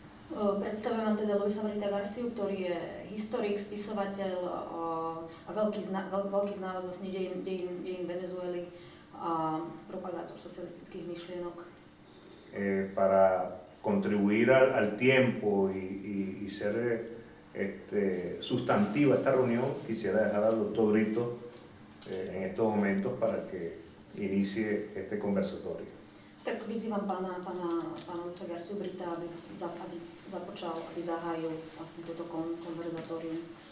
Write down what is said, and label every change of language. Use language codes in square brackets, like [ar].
[sk] Predstavujem vám teda Luisa Brita Garciu, ktorý je historik, spisovateľ a veľký znalec vlastne dejín Venezuely a propagátor socialistických myšlienok. [es] Para contribuir al tiempo y ser sustantiva esta reunión, quisiera dejar al doctor Brito en estos momentos para que inicie este conversatorio. [sk] Tak vyzývam pána Garciu Brita, aby započal, aby zahájil vlastne toto konverzatórium.